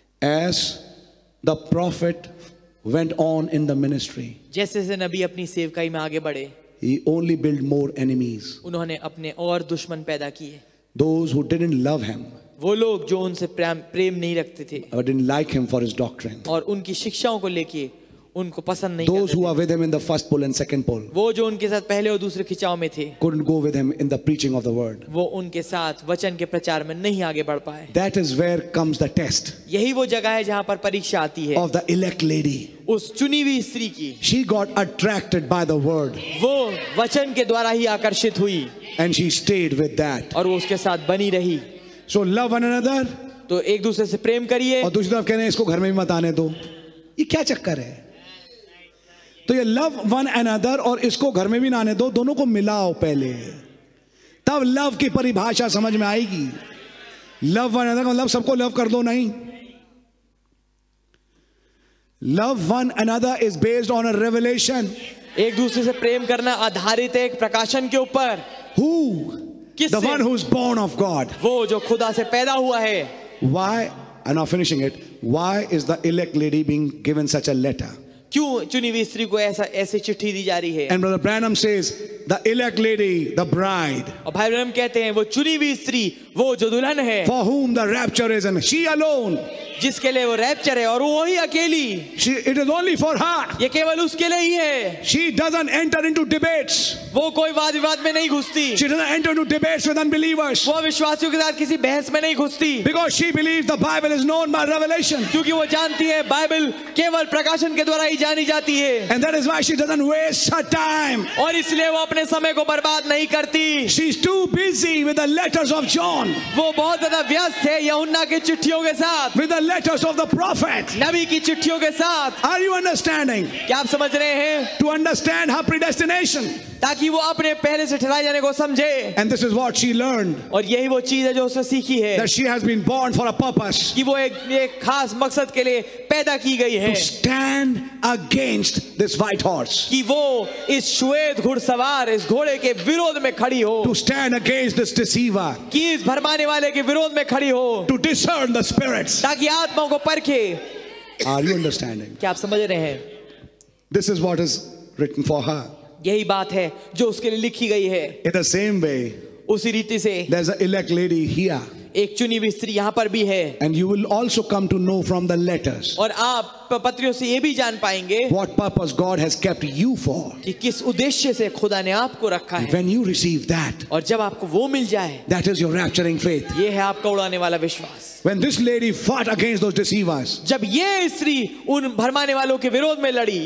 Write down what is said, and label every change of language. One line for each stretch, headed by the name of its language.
English: as the prophet went on in the ministry,
Hindi: जैसे जैसे नबी अपनी सेवकाई में आगे बढ़े,
English: he only build more enemies,
Hindi: उन्होंने अपने और दुश्मन पैदा किए.
English: those who didn't love him,
Hindi: वो लोग जो उनसे प्रेम नहीं रखते थे,
English: but didn't like him for his doctrine,
Hindi: और उनकी शिक्षाओं को लेके उनको पसंद नहीं.
English: Those who are with him in the first pole and second pole,
Hindi: वो जो उनके साथ पहले और दूसरे खिंचाव में थे,
English: couldn't go with him in the preaching of the word,
Hindi: वो उनके साथ वचन के प्रचार में नहीं आगे बढ़ पाए.
English: That is where comes the test,
Hindi: यही वो जगह है जहां पर परीक्षा आती है,
English: of the elect lady,
Hindi: उस चुनी हुई स्त्री की.
English: She got attracted by the word,
Hindi: वो वचन के द्वारा ही आकर्षित हुई,
English: and she stayed with that,
Hindi: और वो उसके साथ बनी रही.
English: So love one another,
Hindi: तो एक दूसरे से प्रेम करिए, और दूसरी तरफ कह रहे हैं इसको घर में भी मत आने दो. ये क्या चक्कर है. तो ये
English: love one another
Hindi: और इसको घर में भी ना आने दो, दोनों को मिलाओ पहले, तब लव की परिभाषा समझ में आएगी.
English: love one another
Hindi: का मतलब सबको लव कर दो नहीं.
English: love one another is based on a revelation,
Hindi: एक दूसरे से प्रेम करना आधारित है एक प्रकाशन के ऊपर.
English: Who? The one who is born of God,
Hindi: वो जो खुदा से पैदा हुआ है.
English: Why I'm not finishing it. Why is the elect lady being given such a letter?
Hindi: क्यों चुनी हुई स्त्री को ऐसा ऐसी चिट्ठी दी जा रही है?
English: And Brother Branham says, the elect lady, the bride.
Hindi: और भाई ब्रैनम कहते हैं वो चुनी हुई स्त्री वो जो दुल्हन है.
English: For whom the rapture is and she alone.
Hindi: जिसके लिए वो रैप्चर है और वो ही अकेली.
English: She, it is only for her.
Hindi: ये केवल उसके लिए ही है.
English: She doesn't enter into debates.
Hindi: वो कोई वाद-विवाद में नहीं घुसती.
English: She doesn't enter into debates with unbelievers.
Hindi: वो अविश्वासियों के साथ किसी बहस में नहीं घुसती.
English: Because she believes the Bible is known by revelation.
Hindi: क्योंकि वो जानती है बाइबल केवल प्रकाशन के द्वारा ही जानी जाती है.
English: And that is why she doesn't waste her time.
Hindi: और इसलिए वो अपने समय को बर्बाद नहीं करती.
English: She is too busy with the letters of John.
Hindi: वो बहुत ज्यादा व्यस्त है यूहन्ना की चिट्ठियों के साथ.
English: With the letters of the prophet.
Hindi: नबी की चिट्ठियों के साथ.
English: Are you understanding?
Hindi: क्या आप समझ रहे हैं?
English: To understand her predestination.
Hindi: ताकि वो अपने पहले से ठहराए जाने को समझे.
English: And this is what she learned.
Hindi: और यही वो चीज है जो उसने सीखी है.
English: That she has been born for a purpose.
Hindi: कि वो एक खास मकसद के लिए पैदा की गई है.
English: To stand against this white horse.
Hindi: कि वो इस श्वेत घुड़सवार इस घोड़े के विरोध में खड़ी हो.
English: To stand against this deceiver.
Hindi: कि इस भरमाने वाले के विरोध में खड़ी हो.
English: To discern the spirits.
Hindi: ताकि आत्माओं को परखे.
English: Are you understanding?
Hindi: क्या आप समझ रहे हैं?
English: This is what is written for her.
Hindi: यही बात है जो उसके लिए लिखी गई है.
English: In the same way,
Hindi: उसी रीति से,
English: there's an elect lady here.
Hindi: एक चुनी हुई स्त्री यहाँ पर भी है.
English: And you will also come to know from the letters.
Hindi: और आप पत्रियों से ये भी जान पाएंगे.
English: What purpose God has kept you for?
Hindi: कि किस उद्देश्य से खुदा ने आपको रखा है.
English: When you receive that,
Hindi: और जब आपको वो मिल जाए,
English: that is your rapturing faith.
Hindi: ये है आपका उड़ाने वाला विश्वास.
English: When this lady fought against those deceivers,
Hindi: जब ये स्त्री उन भरमाने वालों के विरोध में लड़ी,